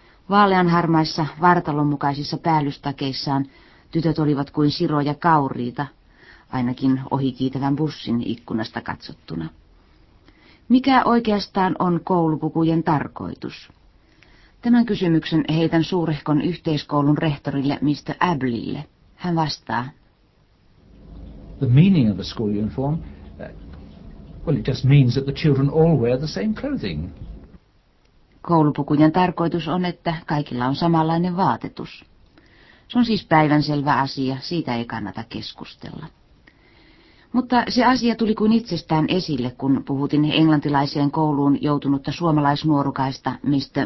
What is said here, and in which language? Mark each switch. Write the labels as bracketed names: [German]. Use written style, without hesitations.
[Finnish] Vaaleanharmaissa vartalon mukaisissa päällystakeissaan tytöt olivat kuin siroja kauriita, ainakin ohikiitävän bussin ikkunasta katsottuna. Mikä oikeastaan on koulupukujen tarkoitus? Tämän kysymyksen heitän suurehkon yhteiskoulun rehtorille Mr. Ablille. Hän vastaa. [English] The meaning of a school uniform, well it just means that the children all wear the same clothing. [Finnish] Koulupukujen tarkoitus on, että kaikilla on samanlainen vaatetus. Se on siis päivänselvä asia, siitä ei kannata keskustella. Mutta se asia tuli kuin itsestään esille, kun puhutin englantilaiseen kouluun joutunutta suomalaisnuorukaista Mr.